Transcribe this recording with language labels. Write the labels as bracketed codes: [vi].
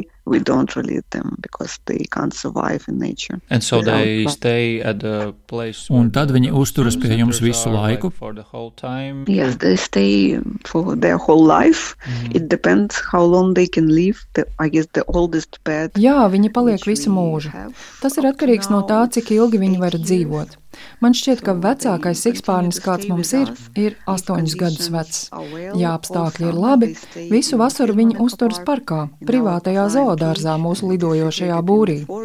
[en] We don't release them because they can't survive in nature. And so they stay at the place. [lv] Un tad viņi uzturas pie jums visu laiku. [en] Yes, they stay for their whole life. It depends how long they can live. The oldest pet. [lv] Jā, viņi paliek visu mūžu. Tas ir atkarīgs no tā, cik ilgi viņi var dzīvot. Man šķiet, ka vecākais ikspārnis, kāds mums ir 8 gadus vecs. Ja apstākļi ir labi, visu vasaru viņi uzturas parkā, privātajā zoodārzā mūsu lidojošajā būrī.